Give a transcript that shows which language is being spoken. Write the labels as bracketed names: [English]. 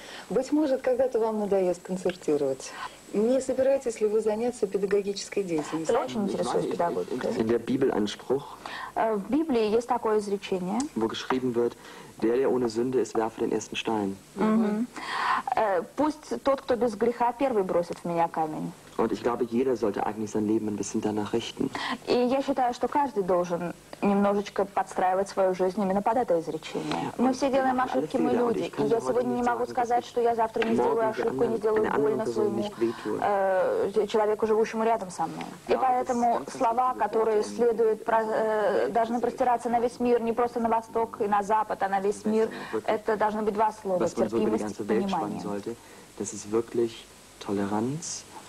[Russian] Быть может, когда-то вам надоест концертировать. Не собираетесь ли вы заняться педагогической деятельностью? Я очень интересуюсь педагогикой. [German] In der Bibel ein Spruch. [Russian] В Библии есть такое изречение. [German] Wo geschrieben wird, der ohne Sünde ist, werfe den ersten Stein. [Russian] Пусть тот, кто без греха, первый бросит в меня камень. [German] Und ich glaube, jeder sollte eigentlich sein Leben ein bisschen danach richten. [Russian] И я считаю, что каждый должен немножечко подстраивать свою жизнь именно под это изречение. Мы все делаем ошибки, мы люди. И я сегодня не могу сказать, что я завтра не сделаю ошибку, не сделаю больно своему человеку, живущему рядом со мной. И поэтому слова, которые следуют, должны простираться на весь мир, не просто на восток и на запад, а на весь мир. Это должны быть 2 слова: терпимость и понимание. [German] Das ist wirklich Toleranz.